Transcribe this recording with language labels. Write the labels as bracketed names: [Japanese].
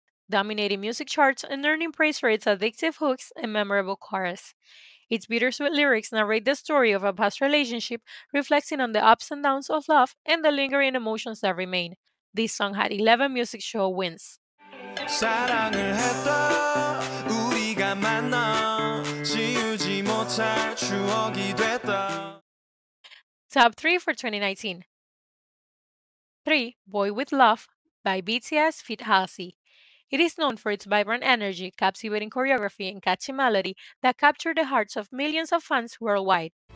[English] Dominating music charts and earning praise for its addictive hooks and memorable chorus. Its bittersweet lyrics narrate the story of a past relationship, reflecting on the ups and downs of love and the lingering emotions that remain. This song had 11 music show wins. [Korean] 사랑을 했다 우리가 만나 지우지 못할 추억이 됐다. [English] Top 3 for 2019. 3. Boy With Love by BTS feat. Halsey. It is known for its vibrant energy, captivating choreography and catchy melody that capture the hearts of millions of fans worldwide.